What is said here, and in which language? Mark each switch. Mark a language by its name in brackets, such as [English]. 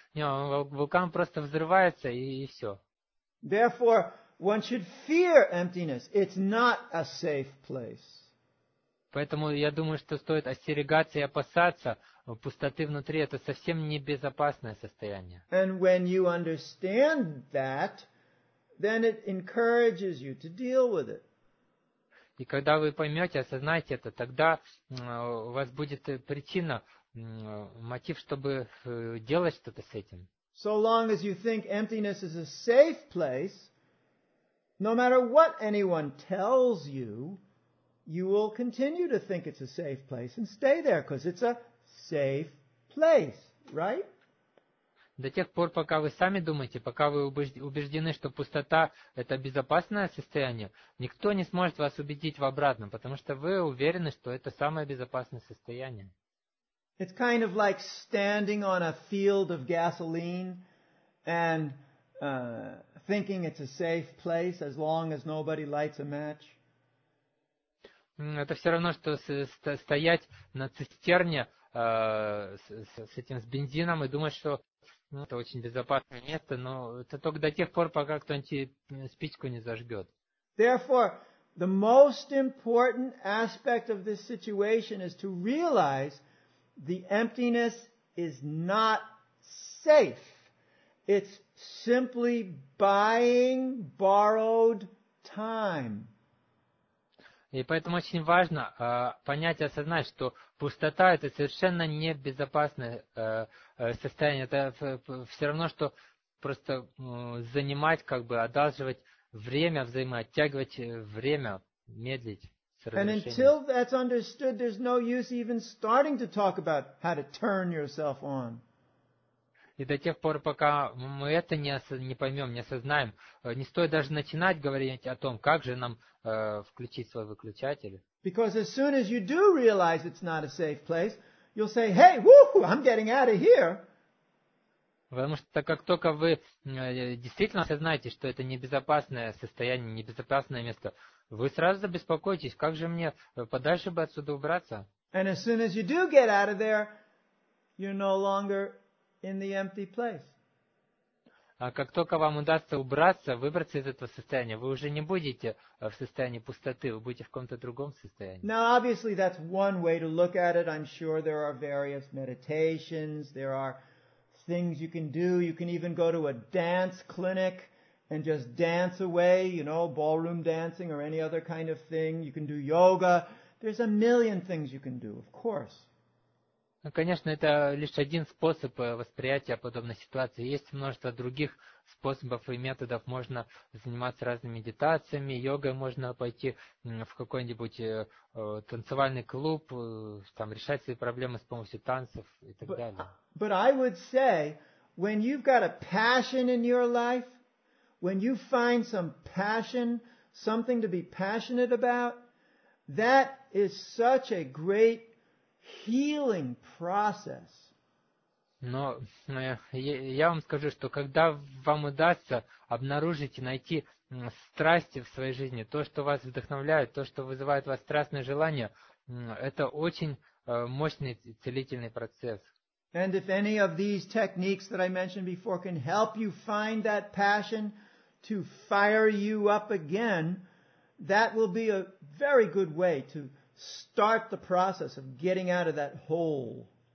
[Russian] Не, вулкан просто взрывается, и все. [English] Therefore, one should fear emptiness. It's not a safe place. [Russian] Поэтому я думаю, что стоит остерегаться и опасаться пустоты внутри. Это совсем не безопасное состояние. [English] And when you understand that, then it encourages you to deal with it. [Russian] И когда вы поймете, осознаете это, тогда у вас будет причина, мотив, чтобы делать что-то с этим. [English] So long as you think emptiness is a safe place, no matter what anyone tells you, you will continue to think it's a safe place and stay there, because it's a safe place, right? [Russian] До тех пор, пока вы сами думаете, пока вы убеждены, что пустота – это безопасное состояние, никто не сможет вас убедить в обратном, потому что вы уверены, что это самое безопасное состояние. [English] It's kind of like standing on a field of gasoline and thinking it's a safe place as long as nobody lights a match. [Russian] Это все равно, что стоять на цистерне с этим, с бензином, и думать, что... Ну, это очень безопасное место, но это только до тех пор, пока кто-нибудь спичку не зажжет. [English] Therefore, the most important aspect of this situation is to realize the emptiness is not safe. It's simply buying borrowed time. [Russian] И поэтому очень важно понять и осознать, что пустота – это совершенно не безопасное состояние. Это все равно, что просто занимать, как бы одалживать время, взаимооттягивать время, медлить с разрешением. [English] And until that's understood, there's no use even starting to talk about how to turn yourself on. [Russian] И до тех пор, пока мы это не поймем, не осознаем, не стоит даже начинать говорить о том, как же нам включить свой выключатель. [English] Because as soon as you do realize it's not a safe place, you'll say, hey, woohoo, I'm getting out of here. [Russian] Потому что как только вы действительно осознаете, что это небезопасное состояние, небезопасное место, вы сразу забеспокоитесь, как же мне подальше бы отсюда убраться. [English] And as soon as you do get out of there, you're no longer... in the empty place. [Russian] А как только вам удастся убраться, выбраться из этого состояния, вы уже не будете в состоянии пустоты, вы будете в каком-то другом состоянии. [English] Now, obviously, that's one way to look at it. I'm sure there are various meditations, there are things you can do. You can even go to a dance clinic and just dance away, you know, ballroom dancing or any other kind of thing. You can do yoga. There's a million things you can do, of course. [Russian] Конечно, это лишь один способ восприятия подобной ситуации. Есть множество других способов и методов. Можно заниматься разными медитациями, йогой, можно пойти в какой-нибудь танцевальный клуб, там, решать свои проблемы с помощью танцев и так далее. [English] But I would say, when you've got a passion in your life, when you find some passion, something to be passionate about, That is such a great healing process. [Russian] Но я вам скажу, что когда вам удастся обнаружить и найти страсти в своей жизни, то, что вас вдохновляет, то, что вызывает у вас страстное желание, это очень мощный целительный процесс. [English] And if any of these techniques that I mentioned before can help you find that passion to fire you up again, that will be a very good way to start the process of getting out of that hole.